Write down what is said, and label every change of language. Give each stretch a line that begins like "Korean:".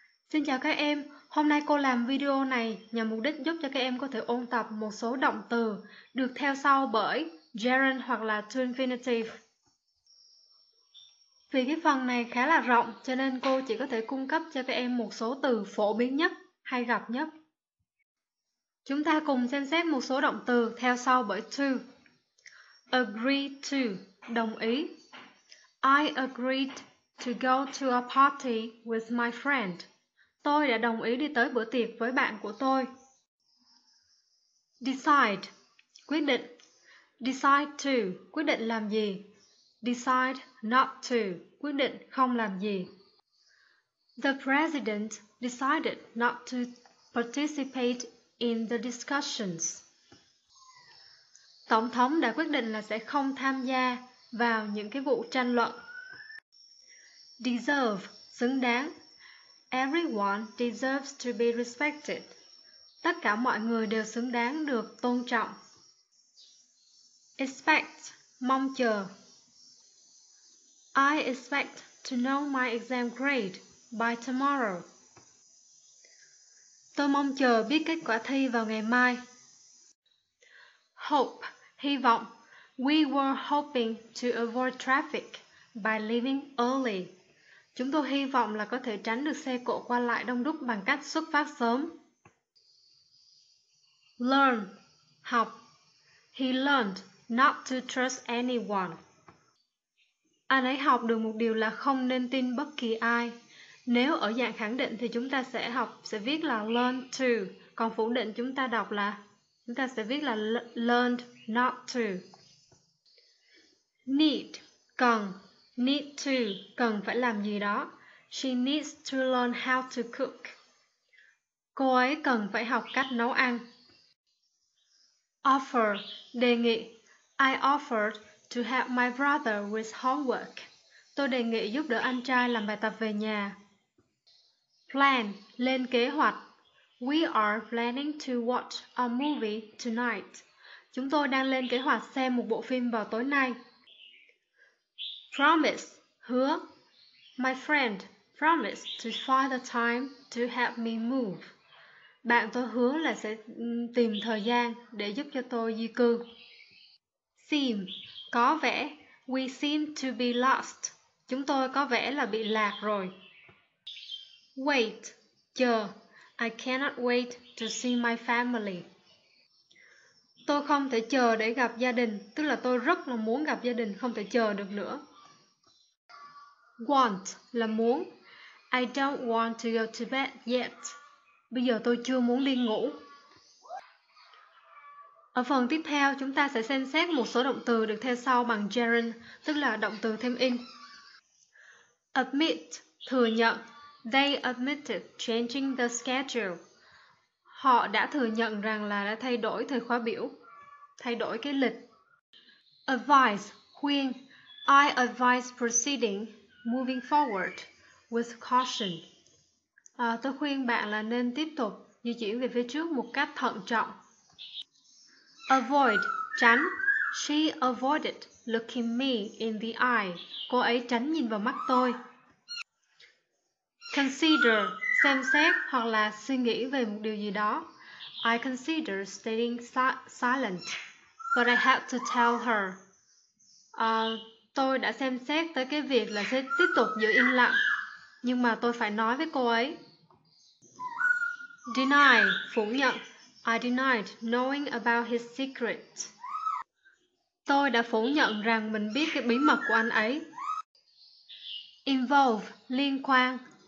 Vietnamese: Xin chào các em, hôm nay cô làm video này nhằm mục đích giúp cho các em có thể ôn tập một số động từ được theo sau bởi gerund hoặc là to infinitive. Vì cái phần này khá là rộng cho nên cô chỉ có thể cung cấp cho các em một số từ phổ biến nhất, hay gặp nhất. Chúng ta cùng xem xét một số động từ theo sau bởi to. Agree to, đồng ý.
English: I agreed to go to a party with my friend.
Vietnamese: Tôi đã đồng ý đi tới bữa tiệc với bạn của tôi. Decide, quyết định. Decide to, quyết định làm gì. Decide not to, quyết định không làm gì.
English: The president decided not to participate in the discussions.
Vietnamese: Tổng thống đã quyết định là sẽ không tham gia vào những cái vụ tranh luận.
English: Deserve,
Vietnamese: xứng đáng.
English: Everyone deserves to be respected.
Vietnamese: Tất cả mọi người đều xứng đáng được tôn trọng. Expect, mong chờ.
English: I expect to know my exam grade by tomorrow.
Vietnamese: Tôi mong chờ biết kết quả thi vào ngày mai. Hope, hy vọng.
English: We were hoping to avoid traffic by leaving early.
Vietnamese: Chúng tôi hy vọng là có thể tránh được xe cộ qua lại đông đúc bằng cách xuất phát sớm.
English: Learn,
Vietnamese: học.
English: He learned not to trust anyone.
Vietnamese: Anh ấy học được một điều là không nên tin bất kỳ ai. Nếu ở dạng khẳng định thì chúng ta sẽ học, sẽ viết là learn to. Còn phủ định chúng ta đọc là, chúng ta sẽ viết là learned not to. Need, cần. Need to, cần phải làm gì đó.
English: She needs to learn how to cook.
Vietnamese: Cô ấy cần phải học cách nấu ăn. Offer, đề nghị.
English: I offered to help my brother with homework.
Vietnamese: Tôi đề nghị giúp đỡ anh trai làm bài tập về nhà. Plan, lên kế hoạch.
English: We are planning to watch a movie tonight.
Vietnamese: Chúng tôi đang lên kế hoạch xem một bộ phim vào tối nay. Promise, hứa.
English: My friend promised to find the time to help me move.
Vietnamese: Bạn tôi hứa là sẽ tìm thời gian để giúp cho tôi di cư.
English: Seem,
Vietnamese: có vẻ.
English: We seem to be lost.
Vietnamese: Chúng tôi có vẻ là bị lạc rồi. Wait, chờ.
English: I cannot wait to see my family.
Vietnamese: Tôi không thể chờ để gặp gia đình, tức là tôi rất là muốn gặp gia đình, không thể chờ được nữa. Want là muốn.
English: I don't want to go to bed yet.
Vietnamese: Bây giờ tôi chưa muốn đi ngủ. Ở phần tiếp theo, chúng ta sẽ xem xét một số động từ được theo sau bằng gerund, tức là động từ thêm in.
English: Admit,
Vietnamese: thừa nhận.
English: They admitted changing the schedule.
Vietnamese: Họ đã thừa nhận rằng là đã thay đổi thời khóa biểu, thay đổi cái lịch.
English: Advise,
Vietnamese: khuyên.
English: I advise proceeding, moving forward, with caution.
Vietnamese: Tôi khuyên bạn là nên tiếp tục di chuyển về phía trước một cách thận trọng.
English: Avoid,
Vietnamese: tránh.
English: She avoided looking me in the eye.
Vietnamese: Cô ấy tránh nhìn vào mắt tôi. Consider, xem xét hoặc là suy nghĩ về một điều gì đó.
English: I consider staying silent, but I have to tell her.
Vietnamese: Tôi đã xem xét tới cái việc là sẽ tiếp tục giữ im lặng, nhưng mà tôi phải nói với cô ấy.
English: Deny,
Vietnamese: phủ nhận.
English: I denied knowing about his secret.
Vietnamese: Tôi đã phủ nhận rằng mình biết cái bí mật của anh ấy. Involve, liên quan.